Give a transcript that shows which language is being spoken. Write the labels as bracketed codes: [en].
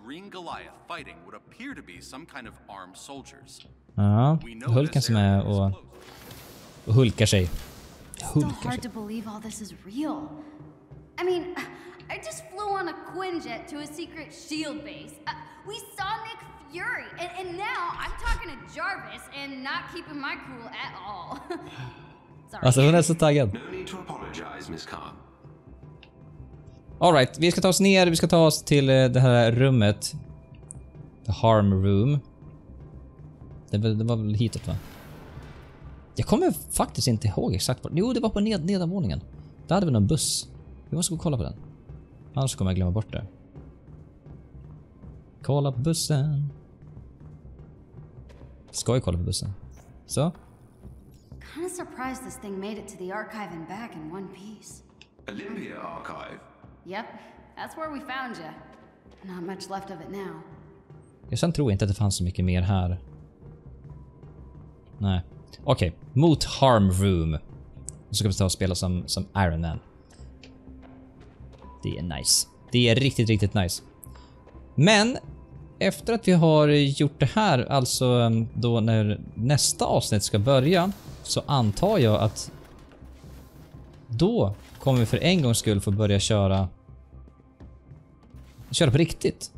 [en] Goliath fighting would appear to be some kind of armed soldiers. [sv] Hulken som är och hulkar sig. Hulkar sig. [en] It's hard to believe all this is real. I mean, I just flew on a Quinjet to a secret shield base. We saw Nick Fury and now I'm talking to Jarvis and not keeping my cool at all. Sorry. [sv] Alltså hon är så taggad. [en] No need to apologize, Miss Khan. [sv] All right, vi ska ta oss ner, vi ska ta oss till det här rummet. The Harm Room. Det var väl hitåt, va? Jag kommer faktiskt inte ihåg exakt vad. Jo, det var på nedanvåningen. Där hade vi någon buss. Vi måste gå och kolla på den. Annars kommer jag glömma bort det. Kolla på bussen. Ska jag kolla på bussen? Så. [en] Kind of surprised this thing made it to the archive and back in one piece. Olympia Archive. Yep, that's where we found you. Not much left of it now. [sv] Jag sen tror inte att det fanns så mycket mer här. Nej. Okej, okay. Mot Harm Room. Nu ska vi ta och spela som Iron Man. Det är nice. Det är riktigt, riktigt nice. Men, efter att vi har gjort det här, alltså då när nästa avsnitt ska börja, så antar jag att då kommer vi för en gångs skull få börja köra på riktigt.